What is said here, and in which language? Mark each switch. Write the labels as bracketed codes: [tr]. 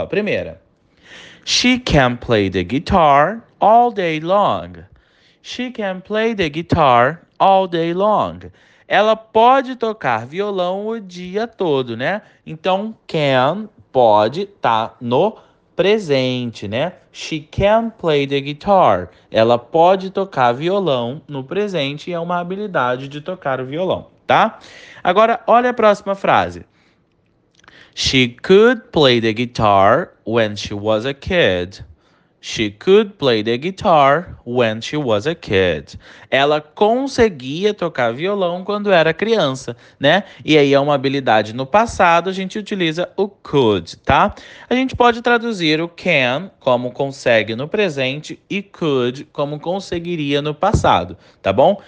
[pt] Ó, primeira: [en] She can play the guitar all day long. She can play the guitar all day long. [pt] Ela pode tocar violão o dia todo, né? Então, can pode estar no presente, né? [en] She can play the guitar. [pt] Ela pode tocar violão no presente e é uma habilidade de tocar o violão, tá? Agora, olha a próxima frase. [en] She could play the guitar when she was a kid. She could play the guitar when she was a kid. [pt] Ela conseguia tocar violão quando era criança, né? E aí é uma habilidade no passado, a gente utiliza o could, tá? A gente pode traduzir o can como consegue no presente e could como conseguiria no passado, tá bom?